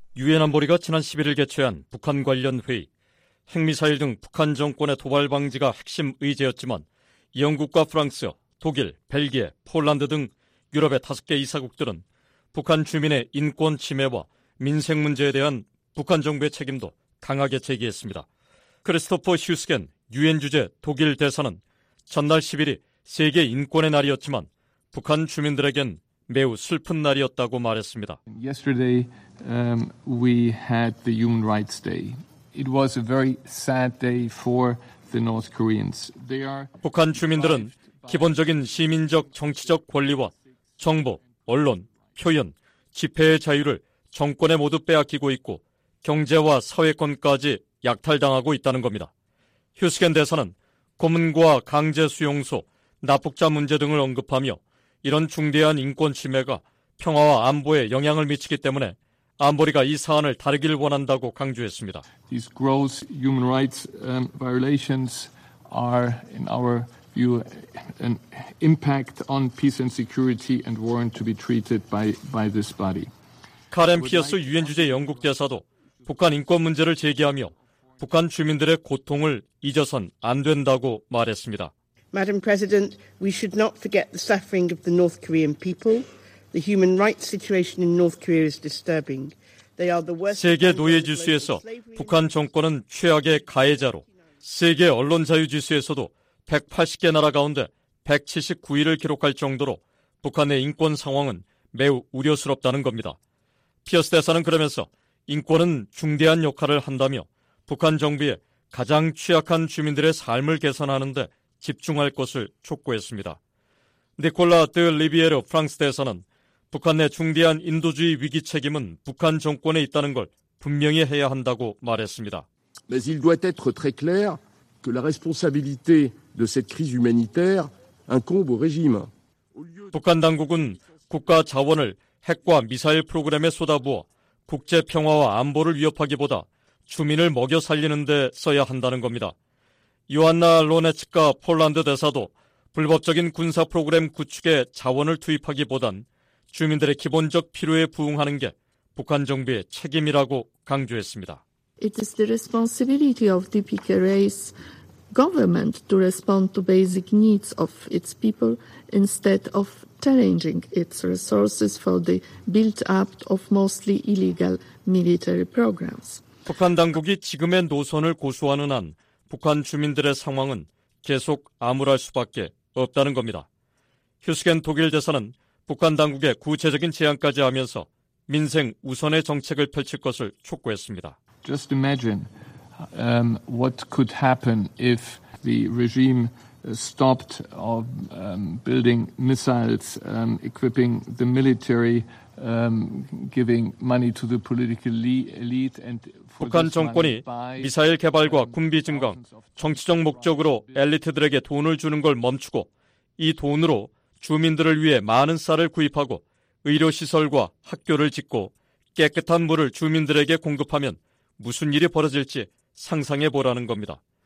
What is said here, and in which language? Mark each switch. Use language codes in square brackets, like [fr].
[ko] 유엔 안보리가 지난 11일 개최한 북한 관련 회의, 핵미사일 등 북한 정권의 도발 방지가 핵심 의제였지만 영국과 프랑스, 독일, 벨기에, 폴란드 등 유럽의 5개 이사국들은 북한 주민의 인권 침해와 민생 문제에 대한 북한 정부의 책임도 강하게 제기했습니다. 크리스토퍼 휴스겐 유엔 주재 독일 대사는 전날 11일이 세계 인권의 날이었지만 북한 주민들에겐 매우 슬픈 날이었다고 말했습니다. [en] Yesterday we had the Human Rights Day. It was a very sad day for the North Koreans. They are [ko] 북한 주민들은 기본적인 시민적 정치적 권리와 정보, 언론, 표현, 집회의 자유를 정권에 모두 빼앗기고 있고 경제와 사회권까지 약탈당하고 있다는 겁니다. 휴스겐 대사는 고문과 강제 수용소, 납북자 문제 등을 언급하며 이런 중대한 인권 침해가 평화와 안보에 영향을 미치기 때문에 안보리가 이 사안을 다루기를 원한다고 강조했습니다. [en] These gross human rights violations are, in our view, an impact on peace and security and warrant to be treated by this body. [ko] 카렌 피어스 유엔 주재 영국 대사도 북한 인권 문제를 제기하며 북한 주민들의 고통을 잊어선 안 된다고 말했습니다. [en] Madam President, we should not forget the suffering of the North Korean people. The human rights situation in North Korea is disturbing. They are the worst. [ko] 세계 노예 지수에서 북한 정권은 최악의 가해자로, 세계 언론 자유 지수에서도 180개 나라 가운데 179위를 기록할 정도로 북한의 인권 상황은 매우 우려스럽다는 겁니다. 피어스 대사는 그러면서 인권은 중대한 역할을 한다며 북한 정부에 가장 취약한 주민들의 삶을 개선하는데 집중할 것을 촉구했습니다. 니콜라 드 리비에르 프랑스 대사는 북한 내 중대한 인도주의 위기 책임은 북한 정권에 있다는 걸 분명히 해야 한다고 말했습니다. [fr] Mais il doit être très clair que la responsabilité de cette crise humanitaire incombe au régime. [ko] 북한 당국은 국가 자원을 핵과 미사일 프로그램에 쏟아부어 국제 평화와 안보를 위협하기보다 주민을 먹여 살리는 데 써야 한다는 겁니다. 요한나 로네츠카 폴란드 대사도 불법적인 군사 프로그램 구축에 자원을 투입하기보단 주민들의 기본적 필요에 부응하는 게 북한 정부의 책임이라고 강조했습니다. [en] It is the responsibility of the PKK's government to respond to basic needs of its people instead of challenging its resources for the built-up of mostly illegal military programs. [ko] 북한 당국이 지금의 노선을 고수하는 한 북한 주민들의 상황은 계속 암울할 수밖에 없다는 겁니다. 휴스겐 독일 대사는 북한 당국의 구체적인 제안까지 하면서 민생 우선의 정책을 펼칠 것을 촉구했습니다. [en] Just imagine what could happen if the regime stopped of building missiles, equipping the military, giving money to the political elite and [ko] 북한 정권이 미사일 개발과 군비 증강, 정치적 목적으로 엘리트들에게 돈을 주는 걸 멈추고 이 돈으로 주민들을 위해 많은 쌀을 구입하고 의료시설과 학교를 짓고 깨끗한 물을 주민들에게 공급하면 무슨 일이 벌어질지 상상해 보라는 겁니다.